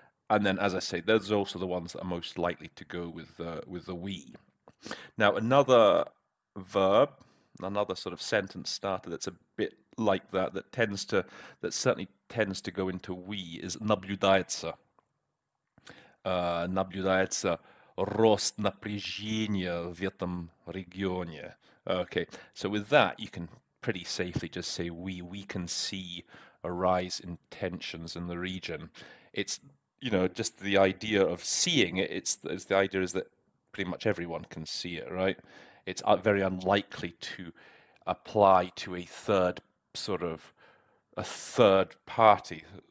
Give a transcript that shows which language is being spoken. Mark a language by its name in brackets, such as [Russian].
[English] And then, as I say, those are also the ones that are most likely to go with the we. Now, another verb, another sort of sentence starter that's a bit like that, that certainly tends to go into we, is наблюдается. [Russian] Наблюдается рост напряжения в этом регионе. [English] Okay, so with that, you can pretty safely just say we can see a rise in tensions in the region. It's, you know, just the idea of seeing it, it's the idea is that pretty much everyone can see it, right? it's very unlikely to apply to a third sort of a third party.